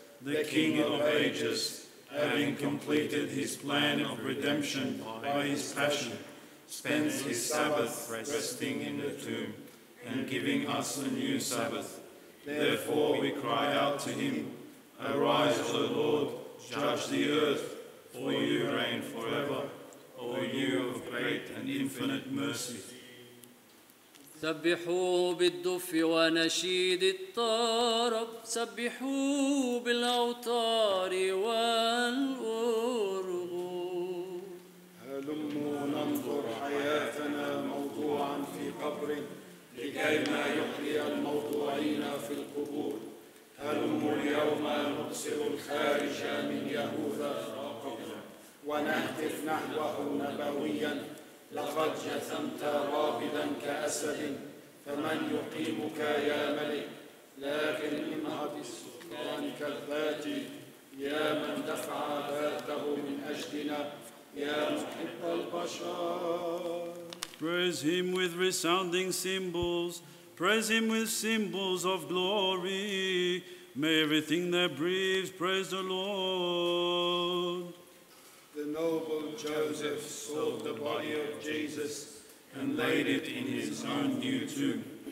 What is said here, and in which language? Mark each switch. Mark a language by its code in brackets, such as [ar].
[en] The King of ages, having completed his plan of redemption by his passion, spends his Sabbath resting in the tomb and giving us a new Sabbath. Therefore, we cry out to him, "Arise, O Lord, judge the earth, for you reign forever, O you of great and infinite mercy." [ar] سبحوا بالدف ونشيد الطرب سبحوا بالأوتار والأورغول هلموا ننظر حياتنا موضوعا في قبر لكي ما يحيى الموضوعين في القبور هلموا اليوم نبصر الخارج من يهوذا راقبا ونهتف نحوه نبويا لقد جثمت رابدا كأسد فمن يقيمك يا ملك لكن انهض بسلطانك الذاتي يا من دفع ذاته من أجلنا يا محب البشر [en] Praise him with resounding cymbals, praise him with cymbals of glory. May everything that breathes praise the Lord. The noble Joseph sold the body of Jesus and laid it in his own new tomb.